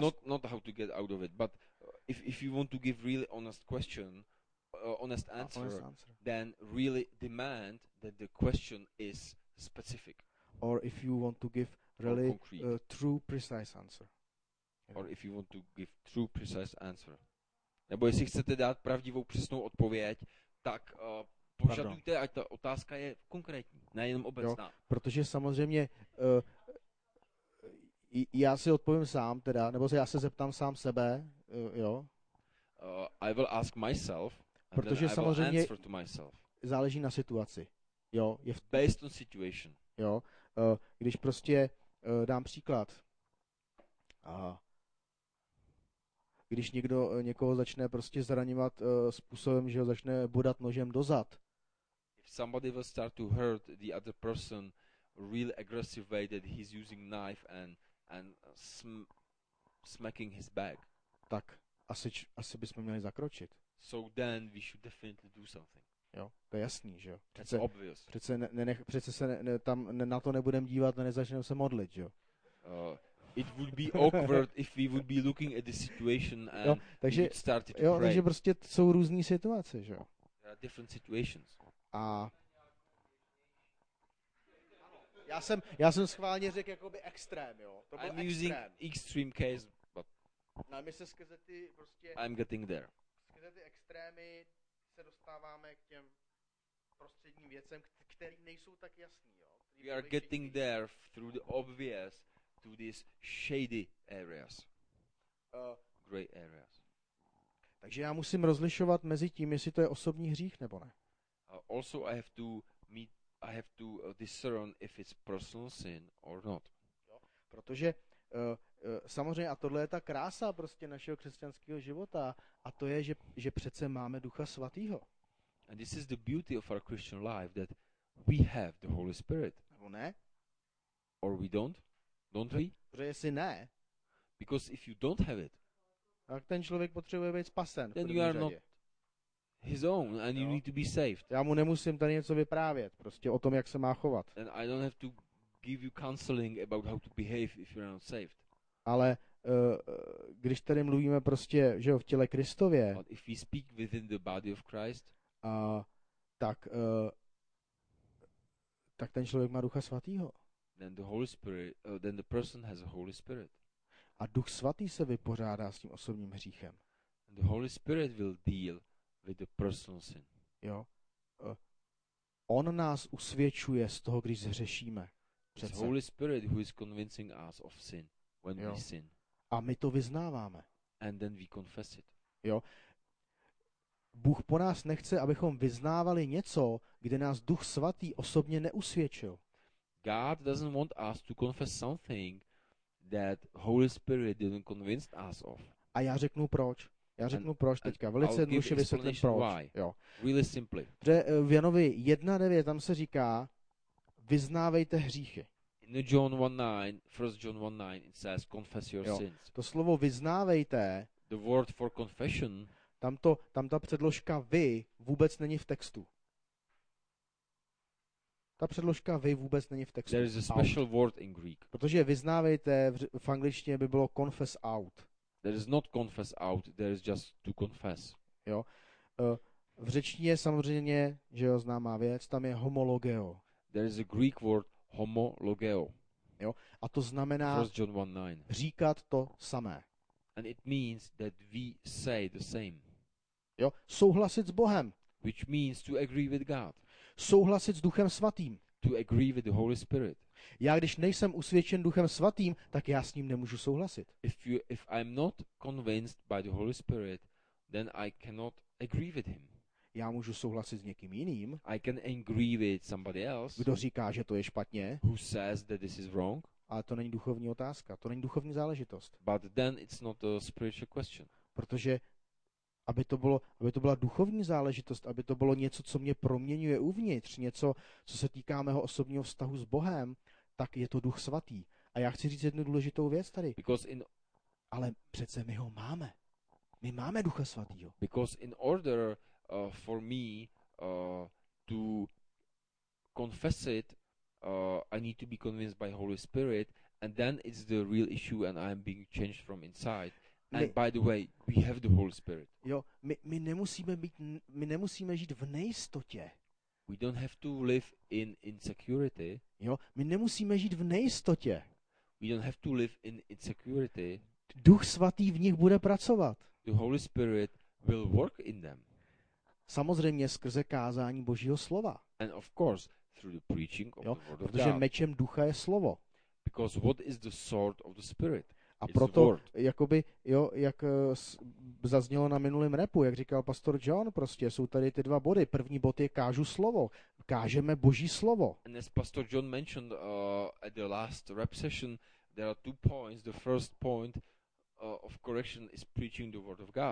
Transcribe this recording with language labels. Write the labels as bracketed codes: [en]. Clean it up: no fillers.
[en] So not how to get out of it, but if you want to give really honest question, honest answer, then really demand that the question is specific. Or if you want to give really true precise answer. Or if you want to give true precise answer. [cs] nebo jestli chcete dát pravdivou přesnou odpověď, tak požadujte, ať ta otázka je konkrétní, ne jenom obecná. Jo, protože samozřejmě já si odpovím sám teda, nebo já se zeptám sám sebe, jo. [en] I will ask myself, [cs] protože samozřejmě záleží na situaci. Jo, je [en] based on situation. [cs] Jo, když prostě dám příklad. Když někdo někoho začne prostě zraňovat způsobem, že ho začne bodat nožem do zad. [en] If somebody will start to hurt the other person really aggressive way that he's using knife and smacking his back. [cs] Tak asi bychom měli zakročit. [en] So then we should definitely do something. [cs] Jo, to je jasný, že jo. [en] That's obvious. [cs] Přece se na to nebudem dívat, nezačneme se modlit, jo. [en] It would be awkward if we would be looking at the situation and [cs] jo, takže, [en] we would start to [cs] jo, [en] pray. [cs] Takže prostě jsou různý situace, že jo. [en] There are different situations. [cs] A já jsem schválně řekl jakoby extrém, jo. To [en] I'm [cs] extrém. [en] Using extreme case, but [cs] no, my se skrze ty prostě [en] I'm getting there. [cs] Skrze ty extrémy se dostáváme k těm prostředním věcem, které nejsou tak jasný, jo. [en] We are getting there through the obvious to these shady areas. Gray areas. [cs] Takže já musím rozlišovat mezi tím, jestli to je osobní hřích nebo ne. [en] Also I have to discern if it's personal sin or not. [cs] Jo, protože samozřejmě a tohle je ta krása prostě našeho křesťanského života a to je, že přece máme Ducha Svatýho. [en] And this is the beauty of our Christian life that we have the Holy Spirit. [cs] Nebo ne? [en] Or we don't? Don't we? [cs] Protože jestli ne. [en] Because if you don't have it. [cs] Tak ten člověk potřebuje být spasen. [en] Then you are not his own and you need to be saved. [cs] Já mu nemusím tady něco vyprávět prostě o tom, jak se má chovat. [en] And I don't have to give you counseling about how to behave if you're not saved. [cs] Ale když tady mluvíme prostě, že jo, v těle Kristově, [en] but if we speak within the body of Christ, [cs] tak ten člověk má Ducha Svatýho. [en] Then the Holy Spirit, then the person has a Holy Spirit. [cs] A Duch Svatý se vypořádá s tím osobním hříchem. [en] And the Holy Spirit will deal with the personal sin. [cs] Jo. On nás usvědčuje z toho, když zhřešíme. [en] The Holy Spirit who is convincing us of sin. When we sin. [cs] A my to vyznáváme. [en] And then we confess it. [cs] Jo. Bůh po nás nechce, abychom vyznávali něco, kde nás Duch Svatý osobně neusvědčil. [en] God doesn't want us to confess something that Holy Spirit didn't convince us of. [cs] A já řeknu proč. Já řeknu proč teďka. Velice jednoduše vysvětlím proč. [en] Why. [cs] Jo. [en] Really simply. [cs] V Janovi 1:9 tam se říká: vyznávejte hříchy. [en] In John 1:9, 1 John 1:9, it says confess your [cs] jo, [en] sins. [cs] To slovo vyznávejte, [en] the word for confession, [cs] tam ta předložka vy vůbec není v textu. Ta předložka vy vůbec není v textu. [en] There is a special out. Word in Greek. [cs] Protože vyznávejte v angličtině by bylo [en] confess out. There is not confess out, there is just to confess. [cs] Jo. V řečtině samozřejmě, že jo, známá věc, tam je homologeo. [en] There is a Greek word homologeo. [cs] Jo, a to znamená [en] 1 John 1:9. [cs] Říkat to samé. [en] And it means that we say the same. [cs] Jo, souhlasit s Bohem. [en] Which means to agree with God. [cs] Souhlasit s Duchem Svatým. [en] To agree with the Holy Spirit. [cs] Já když nejsem usvědčen Duchem Svatým, tak já s ním nemůžu souhlasit. [en] If I'm not convinced by the Holy Spirit, then I cannot agree with him. [cs] Já můžu souhlasit s někým jiným. [en] I can agree with somebody else. [cs] Kdo říká, že to je špatně? [en] Who says that this is wrong? [cs] Ale to není duchovní otázka, to není duchovní záležitost. [en] But then it's not a spiritual question. [cs] Protože aby to byla duchovní záležitost, aby to bylo něco, co mě proměňuje uvnitř, něco, co se týká mého osobního vztahu s Bohem, tak je to Duch Svatý. A já chci říct jednu důležitou věc tady. [en] Because in [cs] ale přece my ho máme. My máme Ducha Svatýho. [en] Because in order for me to confess it, I need to be convinced by Holy Spirit, and then it's the real issue, and I'm being changed from inside. And by the way, we have the Holy Spirit. [cs] Jo, my nemusíme žít v nejistotě. [en] We don't have to live in insecurity. [cs] Jo, my nemusíme žít v nejistotě. [en] We don't have to live in insecurity. [cs] Duch Svatý v nich bude pracovat. [en] The Holy Spirit will work in them. [cs] Samozřejmě skrze kázání Božího slova. [en] And of course through the preaching of, [cs] jo, [en] the word of [cs] protože [en] God. [cs] Mečem ducha je slovo. [en] Because what is the sword of the spirit? [cs] A proto, jakoby, jo, jak zaznělo na minulém repu, jak říkal pastor John, prostě jsou tady ty dva body. První bod je kážu slovo. Kážeme Boží slovo. [en] And as pastor John mentioned at the last rep session, there are two points. The first point of correction is preaching the word of God.